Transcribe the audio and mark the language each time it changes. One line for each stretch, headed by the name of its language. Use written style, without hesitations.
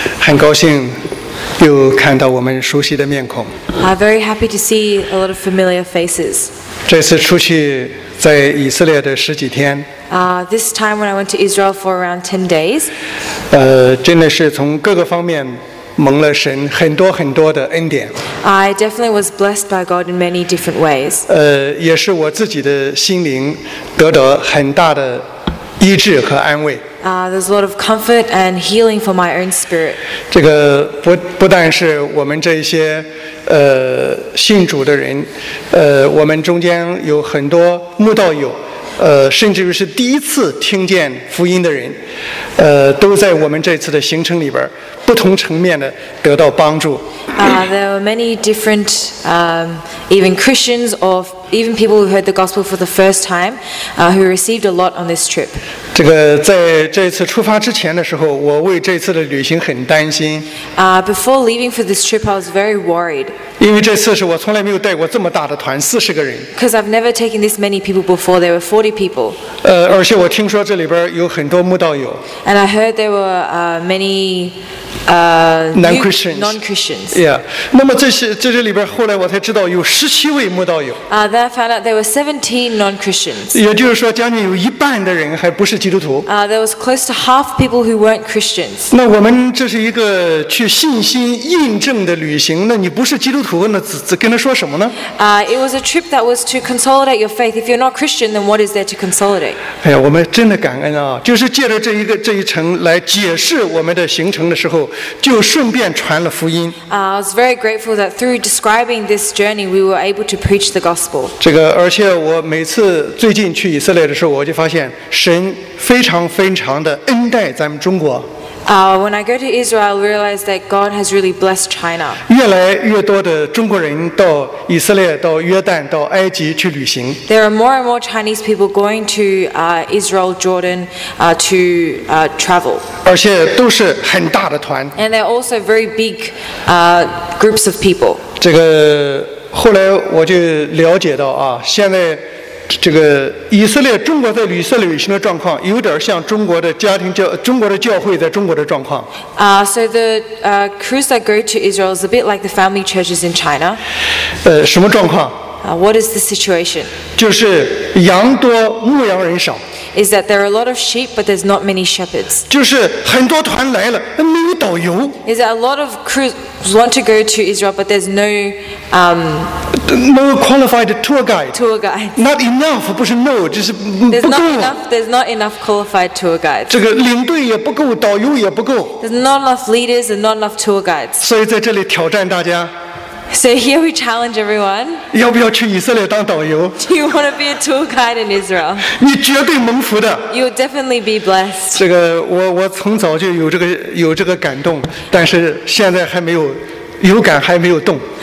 Chinese: 很高兴又看到我们熟悉的面孔。
English: I'm very happy to see a lot of familiar faces.
Chinese: 这次出去在以色列的十几天。
English: This time when I went to Israel for around 10 days.
Chinese: 真的是从各个方面蒙了神很多很多的恩典。
English: I definitely was blessed by God in many different ways.
Chinese: 也是我自己的心灵得到很大的医治和安慰。
English: There's a lot of comfort and healing for my own spirit.
Chinese: 这个 不但是我们这些信主的人，我们中间有很多慕道友。甚至于是第一次听见福音的人，都在我们这次的行程里边不同层面的得到帮助。
English: There were many different, even Christians or even people who heard the gospel for the first time, who received a lot on this trip.
Chinese: 这个在这次出发之前的时候，我为这次的旅行很担心。
English: Before leaving for this trip, I was very worried.
Chinese: 因为这次是我从来没有带过这么大的团，四十个人。
English: Because I've never taken this many people before. There were 40 people.
Chinese: 而且我听说这里边有很多慕道友。
English: And I heard there were many. Non-Christians. Yeah.
Chinese: 那么这里边，后来我才知道有十七位慕道友。
English: Then I found out there were 17 non-Christians.
Chinese: 也就是说，将近有一半的人还不是基督徒。
English: There was close to half people who weren't Christians.
Chinese: 那我们这是一个去信心印证的旅行，那你不是基督徒，那跟他说什么呢？
English: It was a trip that was to consolidate your faith. If you're not Christian, then what is there to consolidate?
Chinese: 哎呀，我们真的感恩啊！就是借着这一程来解释我们的行程的时候。就顺便传了福音。
English: I was very grateful that through describing this journey, we were able to preach the gospel.
Chinese: 这个，而且我每次最近去以色列的时候，我就发现神非常非常的恩待咱们中国。
English: When I go to Israel, I realize that God has really blessed China.
Chinese: 越来越多的中国人到以色列、到约旦、到埃及去旅行。
English: There are more and more Chinese people going to Israel, Jordan, to travel.
Chinese: 而且都是很大的团。
English: And they're also very big groups of people.
Chinese: 这个后来我就了解到啊，现在。这个以色列中国在以色列旅行的状况有点像中国的家庭教中国的教会在中国的状况。
English: So the crews that go to Israel is a bit like the family churches in China.
Chinese: 什么状况？
English: What is the situation?
Chinese: 就是羊多牧羊人少。
English: Is that there are a lot of sheep but there's not many shepherds.
Chinese: 就是很多团来了没有导游。
English: Is that a lot of crews want to go to Israel but there's no No qualified tour guide. Tour guide. Not enough.
Chinese: 不是
English: no,
Chinese: 就是不够。
English: There's not enough. There's not enough qualified tour guides.
Chinese: 这个领队也不够，导游也不够。
English: There's not enough leaders and not enough tour guides.
Chinese: 所以在这里挑战大家。
English: So here we challenge everyone.
Chinese: 要不要去以色列当导游？
English: Do you want to be a tour guide in Israel?
Chinese: 你绝对蒙福的。
English: You'll definitely be blessed.
Chinese: 这个我从早就有这个感动，但是现在还没有有感，还没有动。